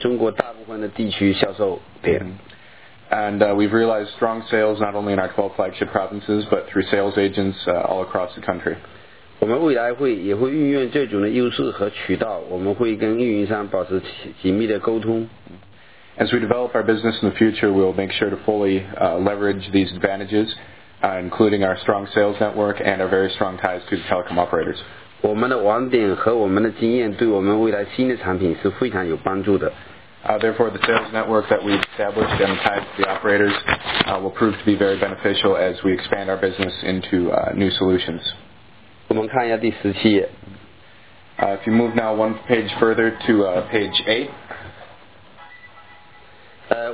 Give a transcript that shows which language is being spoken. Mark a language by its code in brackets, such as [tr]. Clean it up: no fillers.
[zh] 我们现在的业务已经铺遍所有的中国大部分的地区销售点。 [en] And we've realized strong sales not only in our 12 flagship provinces, but through sales agents all across the country. [zh] 我们未来会也会运用这种的优势和渠道，我们会跟运营商保持紧密的沟通。 [en] As we develop our business in the future, we'll make sure to fully leverage these advantages, including our strong sales network and our very strong ties to the telecom operators. [zh] 我们的网点和我们的经验对我们未来新的产品是非常有帮助的。 [en] Therefore, the sales network that we've established and tied to the operators will prove to be very beneficial as we expand our business into new solutions. [zh] 我们看一下第17页。 [en] If you move now one page further to page 8.